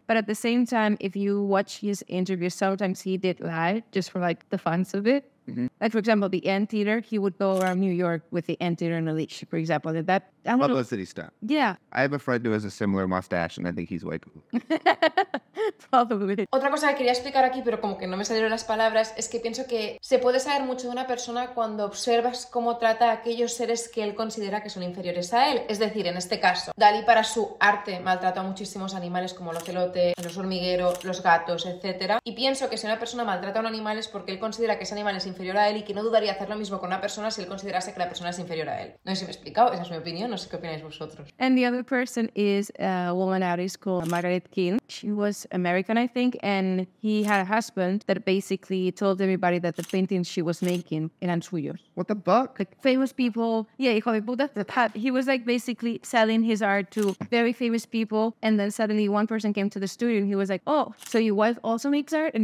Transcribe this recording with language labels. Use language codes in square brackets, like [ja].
[en] But at the same time, if you watch his interviews, sometimes he did lie just for like the fun of it. Mm-hmm. Like, for example, the Anteater, he would go around New York with the Anteater on a leash, for example. Did that publicity stunt? Yeah. I have a friend who has a similar mustache, and I think he's way cool. Probably. [es] Otra cosa que quería explicar aquí, pero como que no me salieron las palabras, es que pienso que se puede saber mucho de una persona cuando observas cómo trata a aquellos seres que él considera que son inferiores a él. Es decir, en este caso, Dalí para su arte maltrata a muchísimos animales como el ocelote, el oso hormiguero, los gatos, etc. Y pienso que si una persona maltrata a un animal es porque él considera que ese animal es inferior a él y que no dudaría hacer lo mismo con una persona si él considerase que la persona es inferior a él. No sé si me he explicado, esa es mi opinión, no sé qué opináis vosotros. [en] And the other person is a woman artist called Margaret King. She was American, I think, and he had a husband that basically told everybody that the paintings she was making [es] eran suyos. [en] What the fuck? Like, famous people. Yeah, [es] hijo de puta. [en] He was like basically selling his art to very famous people, and then suddenly one person came to the studio and he was like, oh, so your wife also makes art?